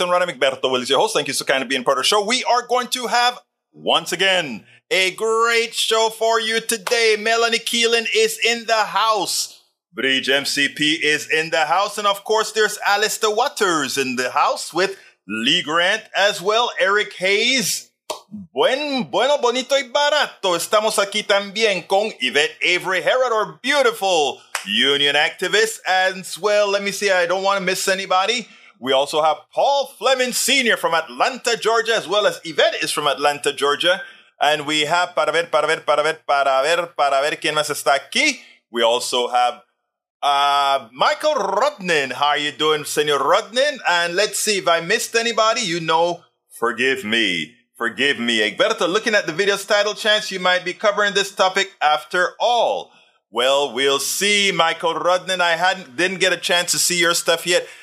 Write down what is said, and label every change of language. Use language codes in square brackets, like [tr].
[en] I'm Rana Migberto Willis, your host. Thank you so kind of being part of the show. We are going to have, once again, a great show for you today. Melanie Keelan is in the house. Bridge MCP is in the house. And of course, there's Alistair Waters in the house with Lee Grant as well. [es] Eric Hayes. Bueno, bonito y barato. Estamos aquí también con Yvette Avery Herod, [en] our beautiful union activist. As well, let me see, I don't want to miss anybody. We also have Paul Fleming Sr. from Atlanta, Georgia, as well as Yvette is from Atlanta, Georgia. And we have, [es] para ver quién más está aquí. [en] We also have Michael Rodnin. How are you doing, Senor Rodnin? And let's see, if I missed anybody, you know, forgive me. Egberto, looking at the video's title chance, you might be covering this topic after all. Well, we'll see, Michael Rodnin. I didn't get a chance to see your stuff yet.